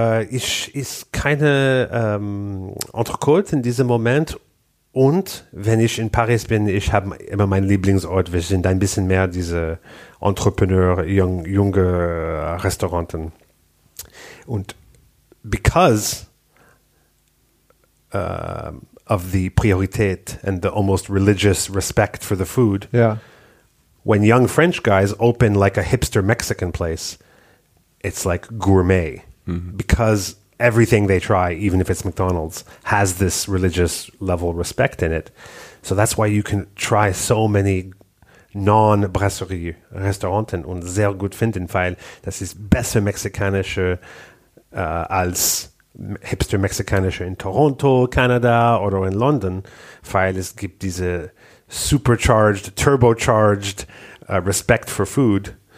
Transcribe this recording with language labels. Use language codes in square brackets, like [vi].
[de] ich esse keine Entrecôte in diesem Moment. Und wenn ich in Paris bin, ich habe immer meinen Lieblingsort. Wir sind ein bisschen mehr diese Entrepreneur, junge Restauranten. [en] Und because of the Priorität and the almost religious respect for the food, yeah. When young French guys open like a hipster Mexican place, it's like gourmet. Mm-hmm. Because everything they try, even if it's McDonald's, has this religious level respect in it. So that's why you can try so many non-brasserie restaurants [de] und sehr gut finden, weil das ist besser mexikanische als hipster mexikanische in Toronto, Kanada oder in London, weil es gibt diese [en] supercharged, turbocharged respect for food.